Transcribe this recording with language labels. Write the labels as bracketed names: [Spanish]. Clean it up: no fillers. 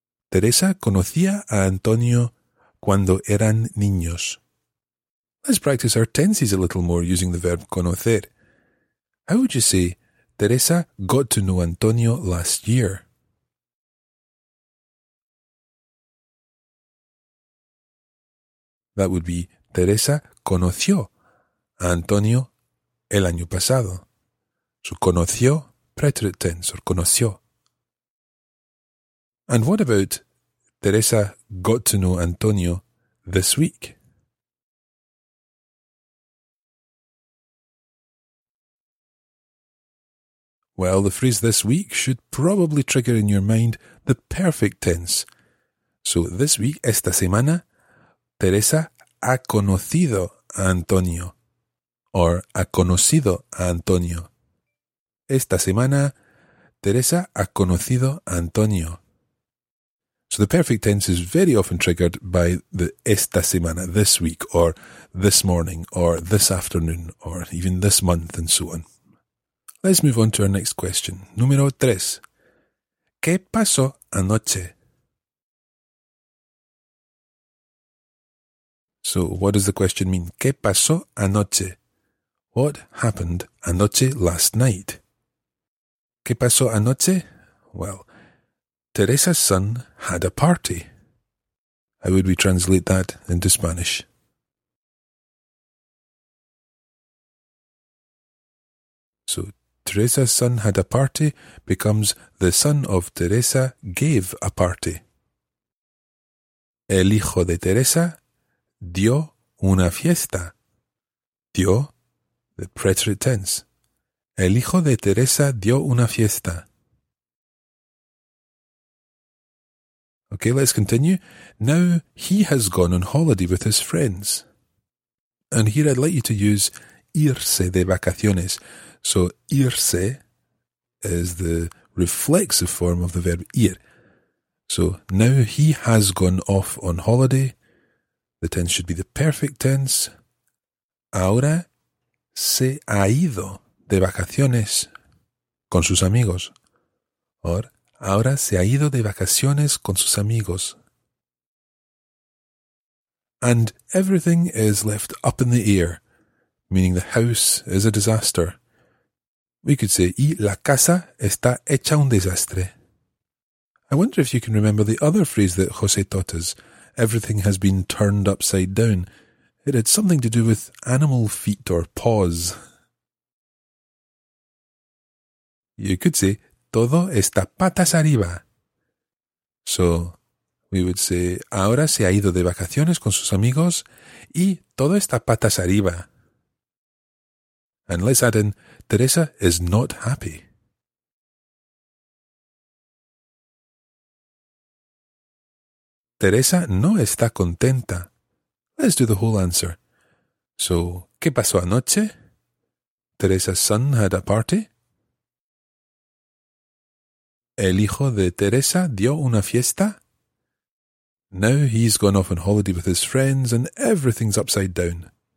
[Spanish] Teresa conocía a Antonio cuando eran niños. [English] Let's practice our tenses a little more using the verb conocer. How would you say, Teresa got to know Antonio last year? That would be, [Spanish] Teresa conoció a Antonio el año pasado. [English] So conoció, preterite tense, or conoció. And what about, Teresa got to know Antonio this week. Well, the phrase this week should probably trigger in your mind the perfect tense. So this week, [Spanish] esta semana, Teresa ha conocido a Antonio. Or ha conocido a Antonio. Esta semana, Teresa ha conocido a Antonio. [English] So the perfect tense is very often triggered by the [Spanish] esta semana, [English] this week, or this morning, or this afternoon, or even this month, and so on. Let's move on to our next question. [Spanish] Número tres. ¿Qué pasó anoche? [English] So what does the question mean? [Spanish] ¿Qué pasó anoche? [English] What happened [Spanish] anoche [English] last night? [Spanish] ¿Qué pasó anoche? [English] Well, Teresa's son had a party. How would we translate that into Spanish? So, Teresa's son had a party becomes the son of Teresa gave a party. [Spanish] El hijo de Teresa dio una fiesta. Dio, [English] the preterite tense. [Spanish] El hijo de Teresa dio una fiesta. [English] Okay, let's continue. Now he has gone on holiday with his friends. And here I'd like you to use [Spanish] irse de vacaciones. [English] So irse is the reflexive form of the verb ir. So now he has gone off on holiday. The tense should be the perfect tense. [Spanish] Ahora se ha ido de vacaciones con sus amigos. Or ahora se ha ido de vacaciones con sus amigos. [English] And everything is left up in the air, meaning the house is a disaster. We could say, [Spanish] y la casa está hecha un desastre. [English] I wonder if you can remember the other phrase that José taught us, everything has been turned upside down. It had something to do with animal feet or paws. You could say, [Spanish] todo está patas arriba. [English] So, we would say, [Spanish] ahora se ha ido de vacaciones con sus amigos y todo está patas arriba. [English] And let's add in, Teresa is not happy. [Spanish] Teresa no está contenta. [English] Let's do the whole answer. So, [Spanish] ¿qué pasó anoche? [English] Teresa's son had a party. [Spanish] El hijo de Teresa dio una fiesta. [English] Now he's gone off on holiday with his friends and everything's upside down.